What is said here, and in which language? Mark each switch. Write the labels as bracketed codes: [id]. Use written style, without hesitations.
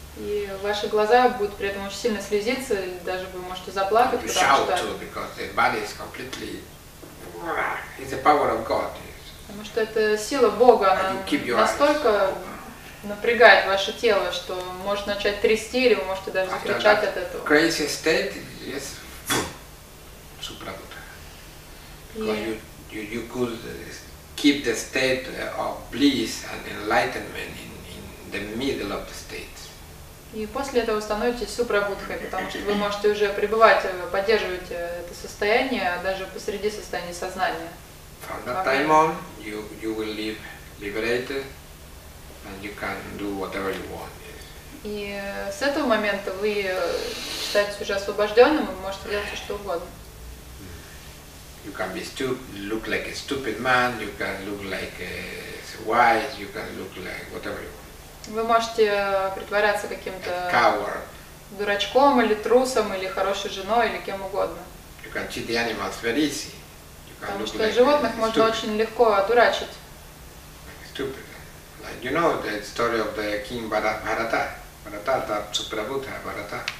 [ru] И ваши глаза будут при этом очень сильно слезиться, и даже вы можете заплакать, потому что... [en] You shout too, because the body is completely... It's the power of God. [ru] Потому что это сила Бога, она настолько... напрягает ваше тело, что может начать трясти, или вы можете даже закричать от этого. [en] Crazy state, yes, Suprabuddha. Because you could keep the state of bliss and enlightenment in the middle of the state. [ru] И после этого становитесь Супрабуддхой, потому что вы можете уже пребывать, поддерживать это состояние, даже посреди состояния сознания. [en] From that time on, you will live liberated. And you can do whatever you want. [ru] И с этого момента вы считаетесь уже освобожденным, вы можете делать все, что угодно. [en] You can be look like a stupid man, you can look like a wise, you can look like whatever you want. [ru] Вы можете притворяться каким-то [en] coward. [ru] Дурачком или трусом или хорошей женой или кем угодно. [en] You can cheat the animals very easy. You can [ru] Потому что животных [en] like [ru] можно очень легко одурачить. [en] Like stupid. You know the story of the king Bharata, Bharata.